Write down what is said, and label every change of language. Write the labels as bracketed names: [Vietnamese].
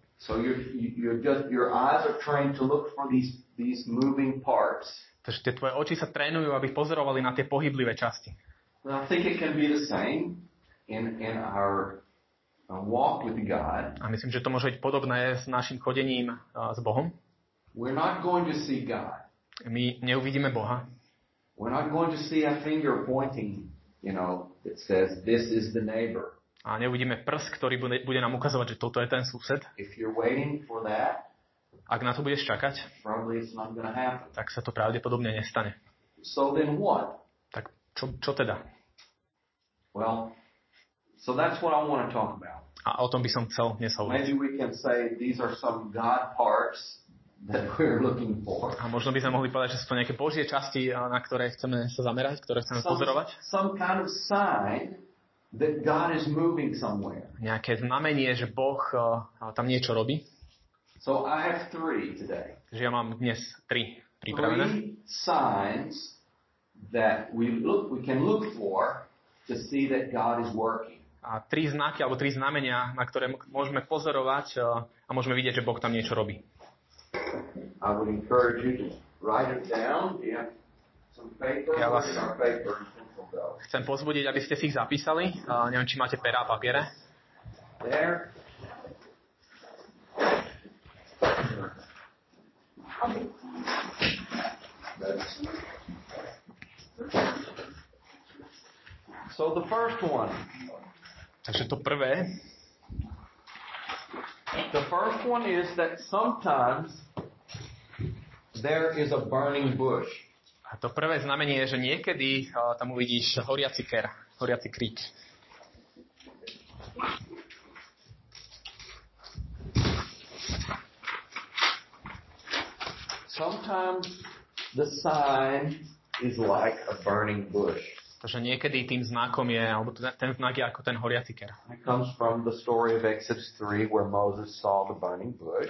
[English] So your eyes are trained to look for these moving parts. [Slovak] Takže tie tvoje oči sa trénujú, aby pozorovali na tie pohyblivé časti. [English] Well, I think it can be the same. in our walk with God. [Slovak] A myslím, že to môže byť podobné s našim chodením s Bohom. [English] We're not going to see God. [Slovak] My neuvidíme Boha. [English] We're not going to see a finger pointing, you know, that says this is the neighbor. [Slovak] A neuvidíme prst, ktorý bude nám ukazovať, že toto je ten sused. [English] If you're waiting for that, [Slovak] ak na to budeš čakať, [English] probably it's not going to happen. [Slovak] Tak sa to pravdepodobne nestane. [English] So then what? [Slovak] Tak čo teda? [English] Well, so that's what I want to talk about. [Slovak] A o tom by som chcel dnes hovoriť. [English] Maybe we can say these are some God parts that we're looking for. [Slovak] A možno by sme mohli povedať, že sú to nejaké Božie časti, na ktoré chceme sa zamerať, ktoré chceme pozorovať. [English] Some kind of sign that God is moving somewhere. [Slovak] Nejaké znamenie, že Boh tam niečo robí. [English] So I have three today. [Slovak] Takže ja mám dnes tri pripravené. [English] Three signs that we can look for to see that God is working. [Slovak] A tri znaky alebo tri znamenia, na ktoré môžeme pozorovať a môžeme vidieť, že Boh tam niečo robí. [English] I would encourage you to write it down. Yeah. Some paper, some paper. [Slovak] Chcem pozbudiť, aby ste si ich zapísali. Neviem, či máte pera a papiere. [English] There. So the first one. [Slovak] Takže to prvé. [English] The first one is that sometimes there is a burning bush. [Slovak] A to prvé znamenie je, že niekedy tam uvidíš horiaci ker, horiaci krík. [English] Sometimes the sign is like a burning bush. [Slovak] Takže niekedy tým znakom je, alebo ten znak je ako ten horiaci ker. [English] It comes from the story of Exodus 3 where Moses saw the burning bush.